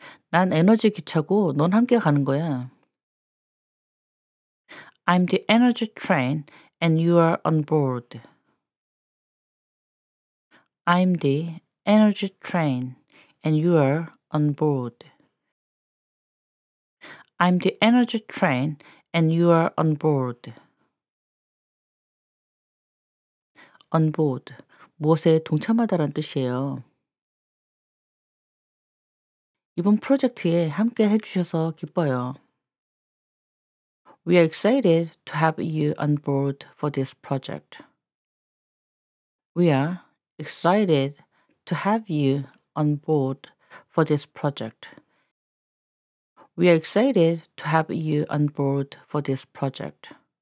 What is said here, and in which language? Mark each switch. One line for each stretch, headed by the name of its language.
Korean: 난 에너지 기차고 넌 함께 가는 거야.
English: I'm the energy train and you are on board. I'm the energy train and you are on board. I'm the energy train and you are on board. On board.
Korean: 무엇에 동참하다란 뜻이에요. 이번 프로젝트에 함께 해주셔서 기뻐요.
English: We are excited to have you on board for this project. We are excited to have you on board for this project. We are excited to have you on board for this project.